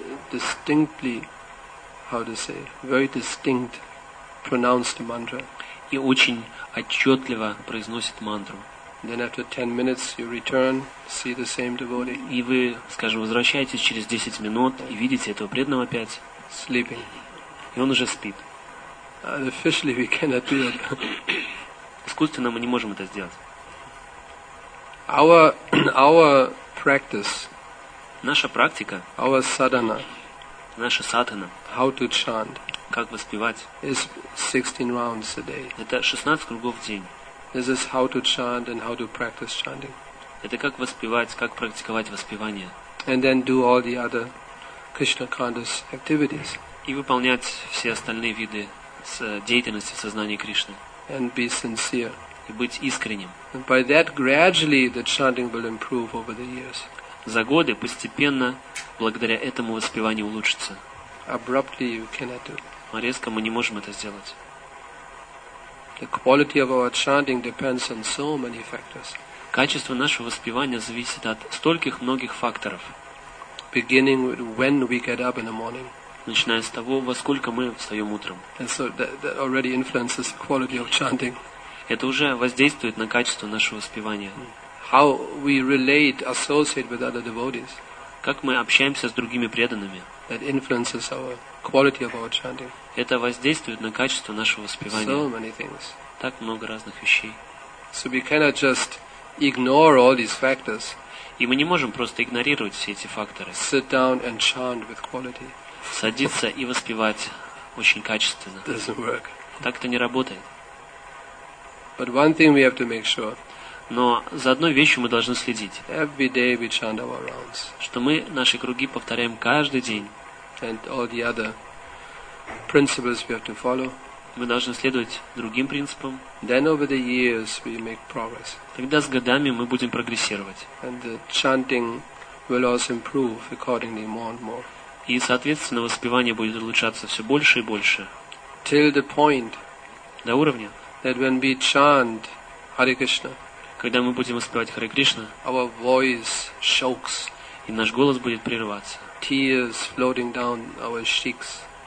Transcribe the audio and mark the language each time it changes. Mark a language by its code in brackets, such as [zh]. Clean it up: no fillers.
[en] Distinctly, how to say, very distinct, pronounced mantra. [ru] И очень отчетливо произносит мантру. [en] Then after 10 minutes you return, see the same devotee. [ru] И вы, скажем, возвращаетесь через 10 минут и видите этого преданного опять. [en] Sleeping. [ru] И он уже спит. [en] Unofficially, we cannot do that. [ru] Искусственно мы не можем это сделать. [en] Our practice. [ru] Наша практика. [en] Our sadhana. [ru] Наша садхана. [en] How to chant. [ru] Как воспевать. [en] Is 16 rounds a day. [ru] Это 16 кругов в день. [en] This is how to chant and how to practice chanting. [ru] Это как воспевать, как практиковать воспевание. [en] And then do all the other Krishna conscious activities. [ru] И выполнять все остальные виды деятельности в сознании Кришны. [en] And be sincere. [ru] И быть искренним. [en] And by that gradually the chanting will improve over the years. [ru] За годы постепенно благодаря этому воспевание улучшится. [en] Abruptly you cannot do. [ru] Но резко мы не можем это сделать. [en] The quality of our chanting depends on so many factors. [ru] Качество нашего воспевания зависит от стольких многих факторов. [en] Beginning with when we get up in the morning. [ru] Начиная с того, во сколько мы встаем утром. [en] And so that already influences the quality of chanting. [ru] Это уже воздействует на качество нашего воспевания. [en] How we relate, associate with other devotees. [ru] Как мы общаемся с другими преданными. [en] That influences our quality of our chanting. [ru] Это воздействует на качество нашего воспевания. [en] So many things. [ru] Так много разных вещей. [en] So we cannot just ignore all these factors. [ru] И мы не можем просто игнорировать все эти факторы. [en] Sit down and chant with quality. [ru] Садиться и воспевать очень качественно. [en] Doesn't work. [ru] Так-то не работает. [en] But one thing we have to make sure. [ru] Но за одной вещью мы должны следить. [en] Every day we chant our rounds. [ru] Что мы наши круги повторяем каждый день. [en] And all the other principles we have to follow. [ru] Мы должны следовать другим принципам. [en] Then over the years we make progress. [ru] Тогда с годами мы будем прогрессировать. [en] And the chanting will also improve accordingly more and more. [ru] И, соответственно, воспевание будет улучшаться все больше и больше. [en] Till the point. [ru] До уровня. [en] That when we chant Hare Krishna. [ru] Когда мы будем воспевать Харе Кришна. [en] Our voice shakes. [ru] И наш голос будет прерываться. [en] Tears floating down our cheeks.